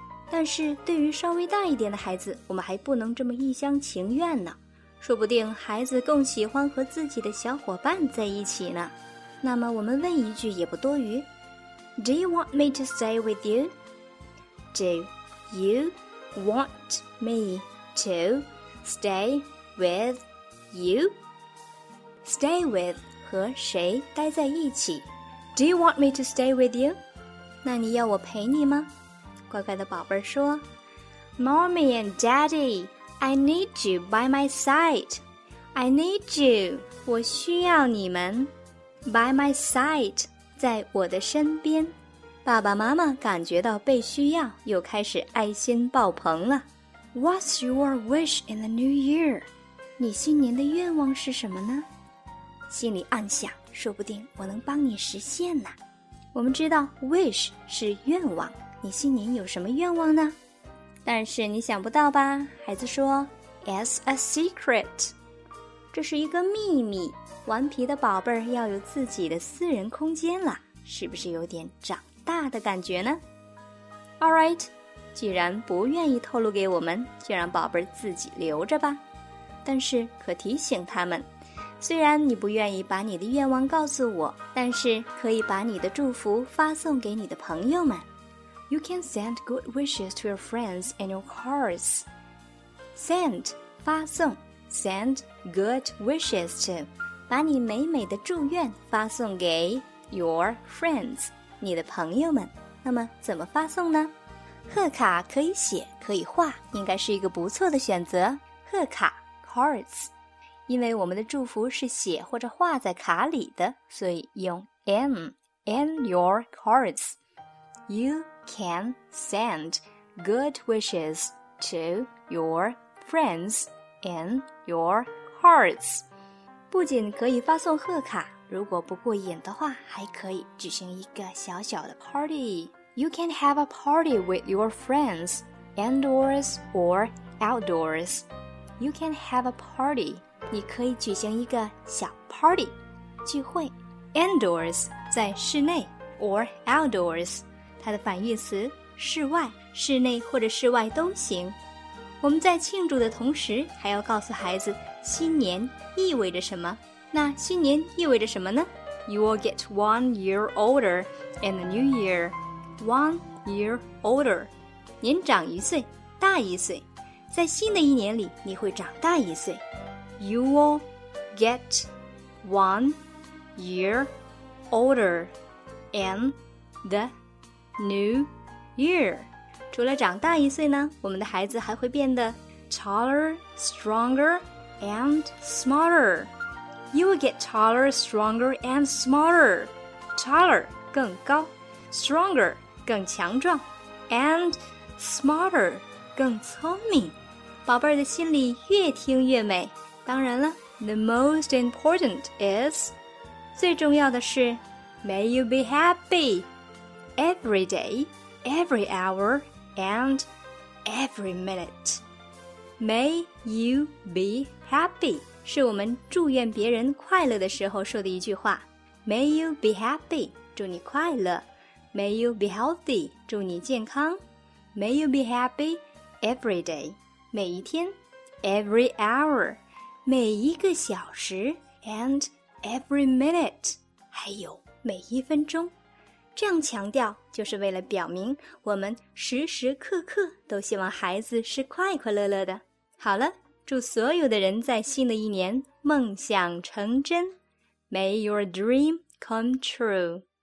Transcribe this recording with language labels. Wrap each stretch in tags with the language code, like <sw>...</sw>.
<zh>但是对于稍微大一点的孩子，我们还不能这么一厢情愿呢。说不定孩子更喜欢和自己的小伙伴在一起呢。那么我们问一句也不多余。</zh> <en>Do you want me to stay with you? Do you want me to stay with you? Stay with</en> <zh>和谁待在一起。</zh> <en>Do you want me to stay with you?</en> <zh>那你要我陪你吗？乖乖的宝贝说。</zh> <en>Mommy and Daddy, I need you by my side. I need you.</en> <zh>我需要你们。</zh> <en>By my side,</en> <zh>在我的身边。爸爸妈妈感觉到被需要，又开始爱心爆棚了。</zh> <en>What's your wish in the new year?</en> <zh>你新年的愿望是什么呢？心里暗想，说不定我能帮你实现呢。我们知道 wish 是愿望，你新年有什么愿望呢？但是你想不到吧？孩子说</zh> <en>It's a secret.</en> <zh>这是一个秘密，顽皮的宝贝儿要有自己的私人空间了，是不是有点长大的感觉呢？</zh> <en>All right,</en> <zh>既然不愿意透露给我们，就让宝贝自己留着吧。但是可提醒他们，虽然你不愿意把你的愿望告诉我，但是可以把你的祝福发送给你的朋友们。</zh> <en>You can send good wishes to your friends and your cards.</en> <zh>Send 发送，</zh> <en>send good wishes to</en> <zh>把你美美的祝愿发送给</zh> <en>your friends，</en> <zh>你的朋友们。那么怎么发送呢？贺卡可以写可以画，应该是一个不错的选择。贺卡</zh> <en>cards，</en> <zh>因为我们的祝福是写或者画在卡里的，所以用</zh> <en>in your cards. You can send good wishes to your friends in your cards.</en> <zh>不仅可以发送贺卡，如果不过瘾的话，还可以举行一个小小的 party.</zh> <en>You can have a party with your friends, indoors or outdoors. You can have a party.</en> <zh>你可以举行一个小 party, 聚会。</zh> <en>Indoors,</en> <zh>在室内</zh> <en>or outdoors,</en> <zh>它的反义词室外，室内或者室外都行。我们在庆祝的同时，还要告诉孩子新年意味着什么。那新年意味着什么呢？</zh> <en>You will get 1 year older in the new year. 1 year older.</en> <zh>年长一岁，大一岁。在新的一年里，你会长大一岁。</zh> <en>You will get 1 year older and the new year.</en> <zh>除了长大一岁呢，我们的孩子还会变得</zh> <en>taller, stronger, and smarter. You will get taller, stronger, and smarter. Taller,</en> <zh>更高</zh> <en>stronger,</en> <zh>更强壮</zh> <en>and smarter,</en> <zh>更聪明。宝贝儿的心里越听越美。当然了</zh> <en>the most important is,</en> <zh>最重要的是</zh> <en>may you be happy every day, every hour, and every minute. May you be happy,</en> <zh>是我们祝愿别人快乐的时候说的一句话。</zh> <en>May you be happy,</en> <zh>祝你快乐。</zh> <en>May you be healthy,</en> <zh>祝你健康。</zh> <en>May you be happy every day,</en> <zh>每一天。</zh> <en>Every hour,</en> <zh>每一个小时。</zh> <en>And every minute,</en> <zh>还有每一分钟。这样强调就是为了表明我们时时刻刻都希望孩子是快快乐乐的。好了，祝所有的人在新的一年梦想成真。</zh> <en>May your dream come true.</en>